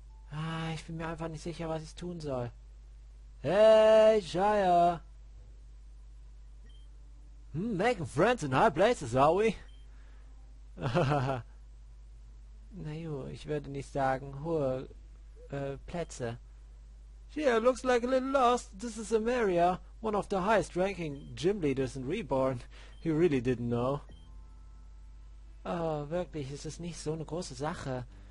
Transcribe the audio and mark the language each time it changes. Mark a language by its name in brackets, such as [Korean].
[German] Ah, ich bin mir einfach nicht sicher, was ich tun soll. [English] Hey, Shia! Making friends in high places, are we? [German] Na jo, ich würde nicht sagen, hohe Plätze. [English] Yeah, looks like a little lost. This is Emeria, one of the highest ranking gym leaders in Reborn. You really didn't know. [German] Oh, wirklich, es ist nicht so eine große Sache.